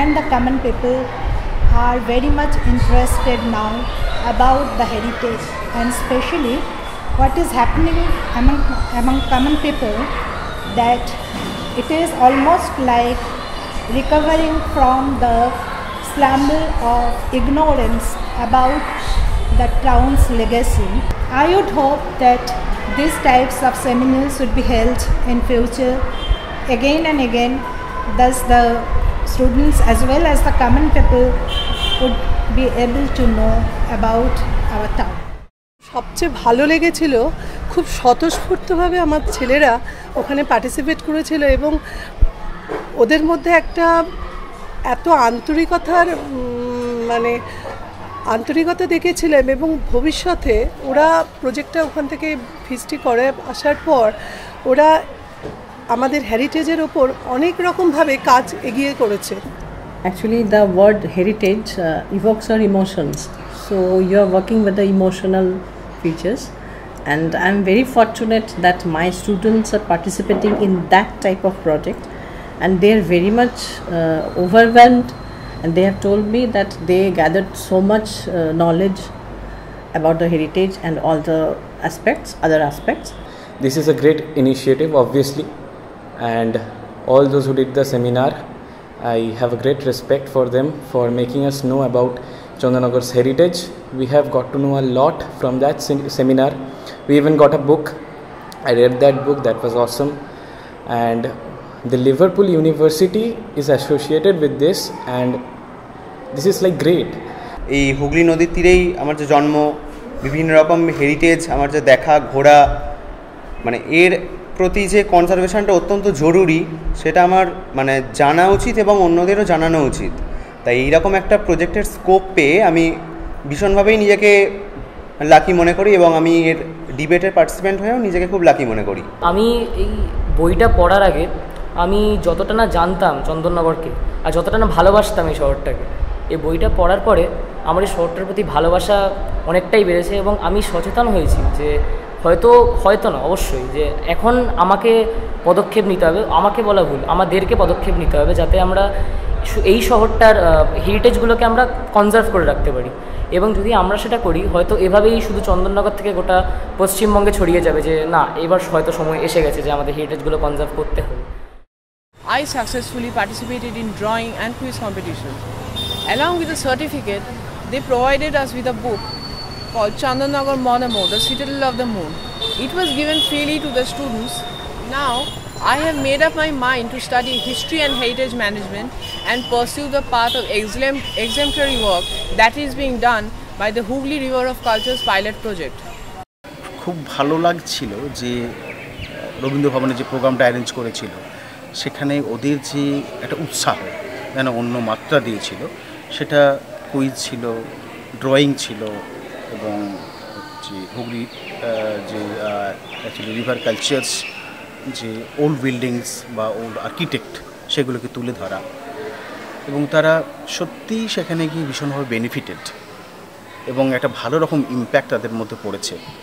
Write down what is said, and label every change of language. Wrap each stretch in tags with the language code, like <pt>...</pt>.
<en>Common people are very much interested now about the heritage, and especially what is happening among common people, that it is almost like recovering from the slumber of ignorance about the town's legacy. I would hope that these types of seminars would be held in future again and again, thus the students as well as the common people would be able to know about our town.</en> <bn>সবচেয়ে ভালো লেগেছিল, খুব স্বতঃস্ফূর্তভাবে আমার ছেলেরা ওখানে participate করেছিল, এবং ওদের মধ্যে একটা এত আন্তরিকতার মানে আন্তরিকতা দেখেছিলাম, এবং ভবিষ্যতে ওরা প্রজেক্টটা ওখান থেকে ফিস্টি করে আসার পর ওরা আমাদের হেরিটেজের ওপর অনেক রকমভাবে কাজ এগিয়ে করেছে।</bn> <en>Actually the word heritage evokes our emotions, so you are working with the emotional features, and I am very fortunate that my students are participating in that type of project, and they are very much overwhelmed, and they have told me that they gathered so much knowledge about the heritage and all the aspects, other aspects. This is a great initiative obviously, and all those who did the seminar, I have a great respect for them for making us know about Chandanagar's heritage. We have got to know a lot from that seminar. We even got a book. I read that book. That was awesome. And the Liverpool University is associated with this, and this is like great.</en> <bn>ei Hugli nodir tirei amar je jonmo, bibhinno rokom heritage, amar je dekha ghora, mane er প্রতি যে কনজারভেশনটা অত্যন্ত জরুরি, সেটা আমার মানে জানা উচিত এবং অন্যদেরও জানানো উচিত। তাই এইরকম একটা প্রজেক্টের স্কোপ পেয়ে আমি ভীষণভাবেই নিজেকে লাকি মনে করি, এবং আমি এর ডিবেটের পার্টিসিপেন্ট হয়েও নিজেকে খুব লাকি মনে করি। আমি এই বইটা পড়ার আগে আমি যতটা না জানতাম চন্দননগরকে আর যতটা না ভালোবাসতাম এই শহরটাকে, এই বইটা পড়ার পরে আমার এই শহরটার প্রতি ভালোবাসা অনেকটাই বেড়েছে, এবং আমি সচেতন হয়েছি যে হয়তো না অবশ্যই যে এখন আমাকে পদক্ষেপ নিতে হবে, আমাকে বলা ভুল, আমাদেরকে পদক্ষেপ নিতে হবে যাতে আমরা এই শহরটার হেরিটেজগুলোকে আমরা কনজার্ভ করে রাখতে পারি। এবং যদি আমরা সেটা করি, হয়তো এভাবেই শুধু চন্দননগর থেকে গোটা পশ্চিমবঙ্গে ছড়িয়ে যাবে যে না, এবার হয়তো সময় এসে গেছে যে আমাদের হেরিটেজগুলো কনজার্ভ করতে হবে।</bn> <en>I successfully participated in drawing and quiz competition along with the certificate they provided us with the book called Chandanagar Monomo, the Citadel of the Moon. It was given freely to the students. Now, I have made up my mind to study history and heritage management and pursue the path of exemplary work that is being done by the Hugli River of Cultures pilot project.</en> <bn>খুব ভালো লাগছিল যে রবীন্দ্রভবনে যে প্রোগ্রামটা arrange করেছিল সেখানে ওদের যে একটা উৎসাহ যেন অন্য মাত্রা দিয়েছিল, সেটা কুইজ ছিল, ড্রয়িং ছিল এবং যে হুগলি যে অ্যাকচুয়ালি রিভার কালচার্স যে ওল্ড বিল্ডিংস বা ওল্ড আর্কিটেক্ট সেগুলোকে তুলে ধরা, এবং তারা সত্যি সেখানে গিয়ে ভীষণভাবে বেনিফিটেড এবং একটা ভালো রকম ইম্প্যাক্ট তাদের মধ্যে পড়েছে।</bn>